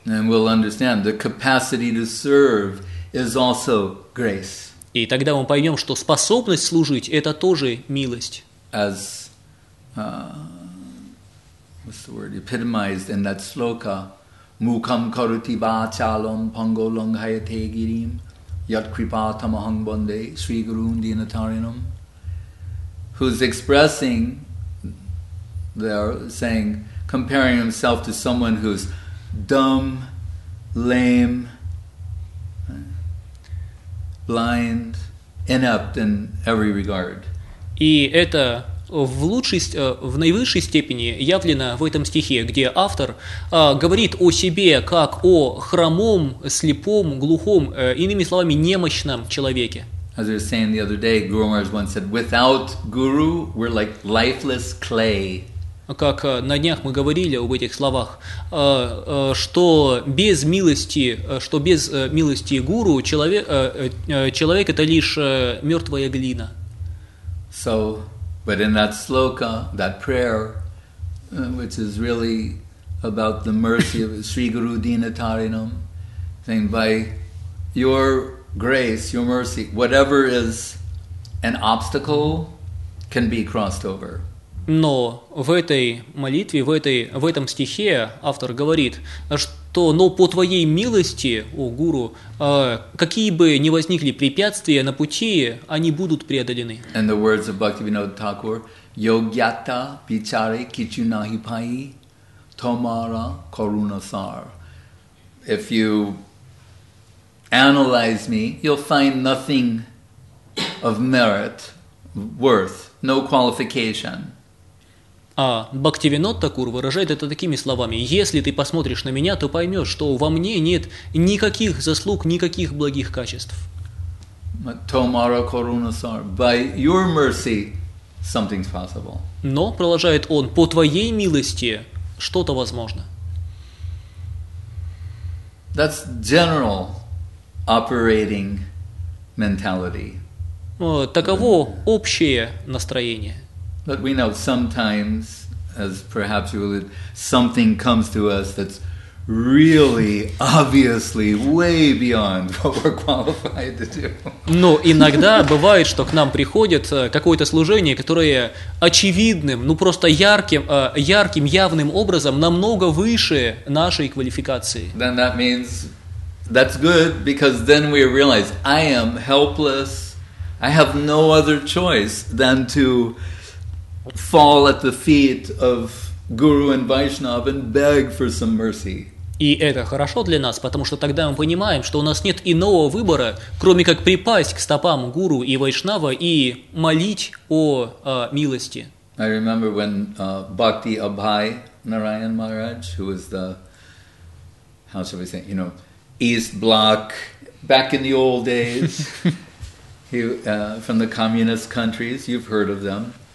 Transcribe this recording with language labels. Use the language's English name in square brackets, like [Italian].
[English] And we'll understand the capacity to serve is also grace. [Russian] И тогда мы поймем, что способность служить – это тоже милость. [English] As what's the word epitomized in that sloka? [Sanskrit] Mukham karuti ba chalon pango langhayate girim yat kripa tamahang bande sri gurun dinatarinam. [English] Who's expressing there, saying, comparing himself to someone who's dumb, lame, blind, inept in every regard. [Russian] И это в наивысшей степени явлено в этом стихе, где автор говорит о себе как о хромом, слепом, глухом, иными словами, немощном человеке. [English] As we were saying the other day, Guru Maharaj once said, without Guru, we're like lifeless clay. [Russian] как на днях мы говорили об этих словах, что без милости, гуру человек это лишь мертвая глина. [English] So, but in that sloka, that prayer, which is really about the mercy of Sri Guru Dinatarinam, saying by your grace, your mercy, whatever is an obstacle can be crossed over. [Russian] Но в этой молитве, в этом стихе автор говорит, что «но по твоей милости, о гуру, какие бы ни возникли препятствия на пути, они будут преодолены». [English] And the words of Bhaktivinoda Thakur, [Bangla] «Yogyata vichare kichu nahi pai, tomara karunasar». [English] If you analyze me, you'll find nothing of merit, worth, no qualification. [Russian] А Бхактивинод Такур выражает это такими словами: «Если ты посмотришь на меня, то поймешь, что во мне нет никаких заслуг, никаких благих качеств». [Bangla] Tomara korunasar, [English] by your mercy, something's possible. [Russian] Но, продолжает он, по твоей милости что-то возможно. [English] That's general operating mentality. [Russian] Таково общее настроение. [English] But we know sometimes, as perhaps you alluded, something comes to us that's really, obviously, way beyond what we're qualified to do. [Russian] Но иногда бывает, что к нам приходит какое-то служение, которое очевидным, ну просто ярким, ярким, явным образом намного выше нашей квалификации. [English] Then that means that's good, because then we realize I am helpless. I have no other choice than to fall at the feet of Guru and Vaishnav and beg for some mercy. [Russian] И это хорошо для нас, потому что тогда мы понимаем, что у нас нет иного выбора, кроме как припасть к стопам Гуру и Вайшнава и молить о милости. [English] I remember when Bhakti Abhay Narayan Maharaj, who was the, how shall we say, you know, East Bloc, back in the old days, he from the communist countries, you've heard of them.